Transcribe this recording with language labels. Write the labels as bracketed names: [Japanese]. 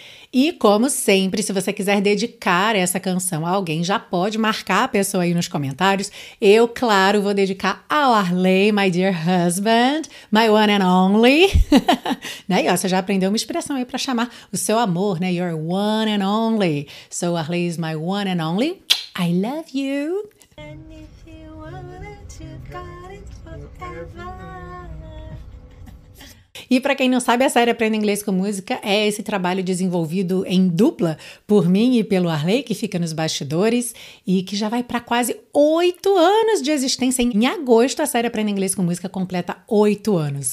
[Portuguese] E como sempre, se você quiser dedicar essa canção a alguém, já pode marcar a pessoa aí nos comentários. Eu, claro, vou dedicar ao Arley, [English] my dear husband, my one and only. [Portuguese] Né? E ó, você já aprendeu uma expressão aí para chamar o seu amor, né? [English] Your one and only. So Arley is my one and only. I love you. And if you want to got it forever. [Portuguese] E para quem não sabe, a série Aprenda Inglês com Música é esse trabalho desenvolvido em dupla por mim e pelo Arley, que fica nos bastidores, e que já vai para quase 8 anos de existência. Em agosto, a série Aprenda Inglês com Música completa 8 anos.